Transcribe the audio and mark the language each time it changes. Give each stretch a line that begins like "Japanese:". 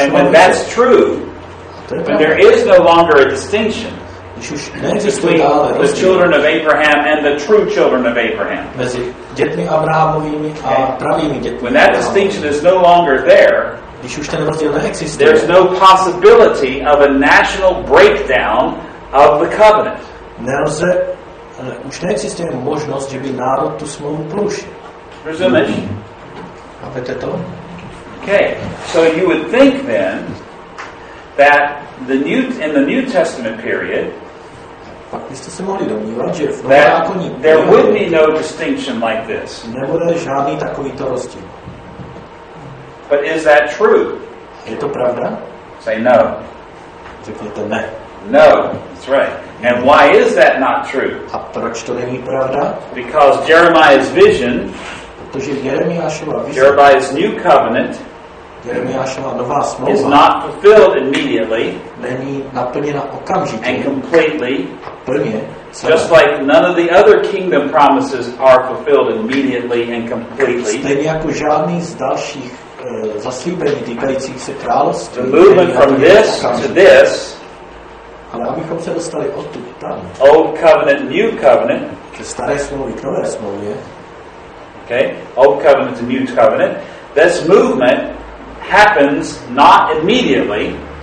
English: And when that's true, when there is no longer a distinction between the children of Abraham and the true children of Abraham.
Czech: Mezi dětmi Abrahamovými a pravými dětmi.
English: When that distinction is no longer there,
Czech: když už ten rozdíl neexistuje,
English: there's no possibility of a national breakdown of the covenant.
Czech: Nelze, už neexistuje možnost, že by národ tu smlouvu porušil.
English: Resume.
Czech: Chápete to?
English: Okay. So you would think then that the new in the New Testament period,
Czech: pak byste se mohli domnívat, že v novém zákoně
English: there would be no distinction like this.
Czech: Nebude žádný takovýto rozdíl.
English: But is that true?
Czech: Je to pravda?
English: Say no.
Czech: Řekněte ne.
English: No, that's right. And why is that not true?
Czech: A proč to není pravda?
English: Because Jeremiah's vision,
Czech: protože Jeremiášova vize,
English: Jeremiah's new covenant,
Czech: Jeremiášova nová smlouva,
English: is not fulfilled immediately,
Czech: není naplněna okamžitě,
English: and completely,
Czech: a plně.
English: Just like none of the other kingdom promises are fulfilled immediately and completely.
Czech: Stejně jako žádný z dalších zaslíbení týkajících se království.
English: The movement from this to this.
Czech: Ale abychom se dostali odtud tam.
English: Old covenant, new covenant.
Czech: Ke staré smlouvě, k nové smlouvě.
English: Okay. Old covenant to new covenant. This movement happens not immediately.